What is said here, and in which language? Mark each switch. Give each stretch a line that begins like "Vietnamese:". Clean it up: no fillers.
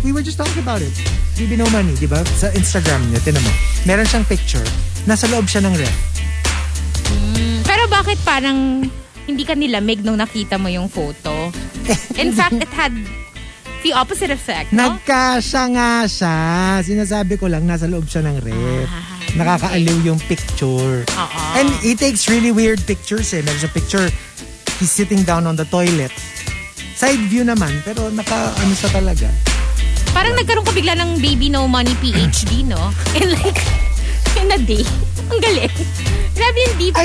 English: We were just talking about it.
Filipino: Bibi no money, di ba? Sa Instagram niya, tinan mo. Meron siyang picture. Nasa loob siya ng ref. Pero bakit parang hindi ka nilamig nung nakita mo yung photo?
English: In fact, it had the opposite effect, no?
Filipino: Nagkasya nga siya. Sinasabi ko lang, nasa loob siya ng ref. Nakakaaliw yung picture. Uh-oh.
English: And he takes really weird pictures eh. Meron siya picture, he's sitting down on the toilet. Side view naman,
Filipino: pero naka-ano siya talaga. Parang nagkaroon ka bigla ng baby no money PhD, no?
English: In like, in a day.
Filipino: Ang galing. Grabe yung deep dive, ba?